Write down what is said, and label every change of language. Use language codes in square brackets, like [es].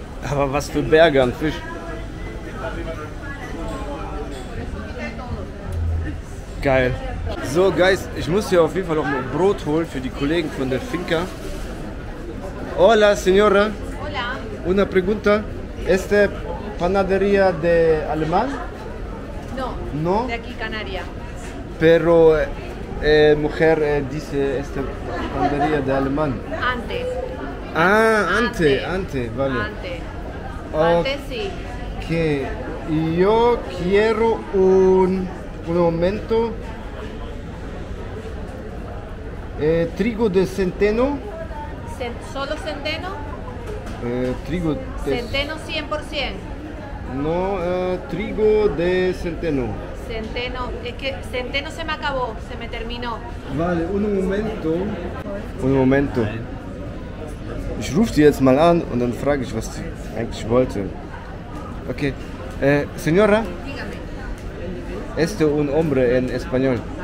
[de] Aber was für Berge an Fisch. Geil. So, Guys, ich muss hier auf jeden Fall noch mal Brot holen für die Kollegen von der Finca. [es] Hola, Señora. Hola. Una pregunta. Este panadería de alemán? No. No. De aquí, Canaria. Pero mujer dice esta panadería de alemán. Antes. Ah, antes, vale. Antes. Antes sí. Que yo quiero un momento. Trigo de centeno. ¿Solo centeno? Trigo de centeno 100%. No, trigo de centeno. Centeno, es que centeno se me acabó, se me terminó. Vale, un momento. Un momento. [de] Ich rufe die jetzt mal an und dann frage ich, was sie eigentlich wollte. [es] Okay. Señora. Dígame. Este un hombre en español.